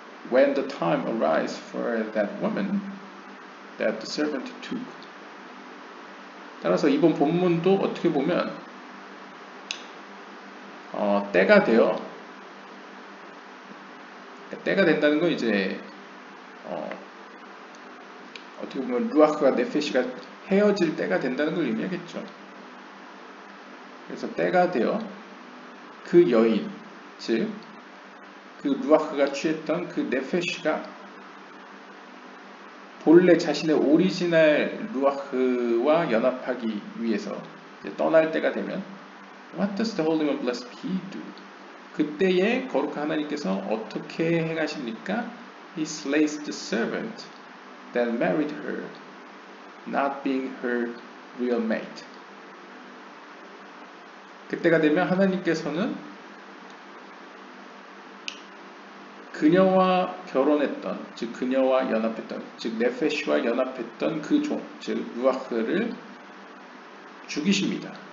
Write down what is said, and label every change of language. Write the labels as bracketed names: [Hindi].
[English] When the time arises for that woman that the servant took. [Korean] 따라서 이번 본문도 어떻게 보면 때가 되어 때가 된다는 건 이제 어떻게 보면 루아크와 네페시가 헤어질 때가 된다는 걸 의미하겠죠. 그래서 때가 되어 그 여인 즉 그 루아크가 취했던 그 네페시가 본래 자신의 오리지널 루아크와 연합하기 위해서 이제 떠날 때가 되면 [English] What does the Holy One Blessed He do? [Korean] 그때의 거룩한 하나님께서 어떻게 행하십니까? He slays the servant that married her, not being her real mate. 그때가 되면 하나님께서는 그녀와 결혼했던, 즉 그녀와 연합했던, 즉 네페시와 연합했던 그 종, 즉 루아크를 죽이십니다.